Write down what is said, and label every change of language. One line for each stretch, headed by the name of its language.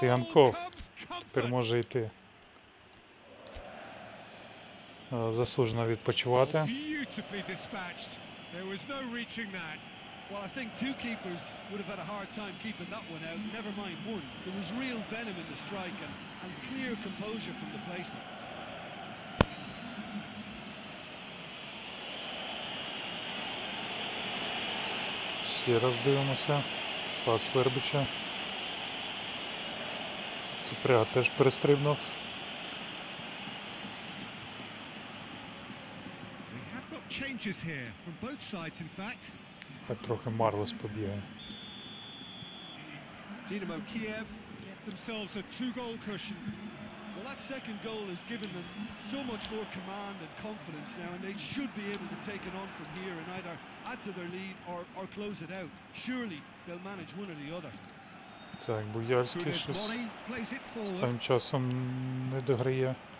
Ukrainian: Циганков тепер може йти. Заслужено відпочивати.
English: Beautifully dispatched. There was no reaching that. Well, I think two keepers would have had a hard time keeping that one out, never mind one. There was real venom in the strike and clear composure from the placement.
Ukrainian: Ще раз дивимося. Пас Вербича. Супрега теж перестрибнув.
English: We have got changes here from both sides, in fact.
Ukrainian: Так трохи Марлос побігає.
English: Динамо Киев get themselves a two-goal cushion. Well, that second goal has given them so much more command and confidence now, and they should be able to take it on from here and either add to their lead or close it out. Surely they'll manage one or the other.
Ukrainian: Так, Буяльський щось тим часом не дограє.